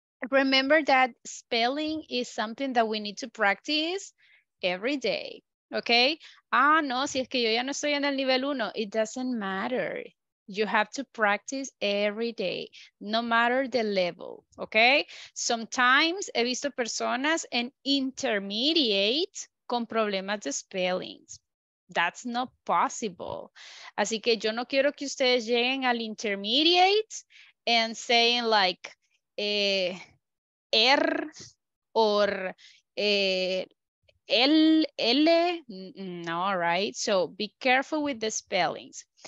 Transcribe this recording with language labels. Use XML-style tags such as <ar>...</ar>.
<en>Remember that spelling is something that we need to practice every day, okay?</en> <es>Si es que yo ya no estoy en el nivel uno,</es> <en>it doesn't matter. You have to practice every day, no matter the level, okay? Sometimes</en> <es>he visto personas en intermediate con problemas de spellings.</es> <en>That's not possible.</en> <es>Así que yo no quiero que ustedes lleguen al</es> <en>intermediate and saying like So be careful with the spellings.</en>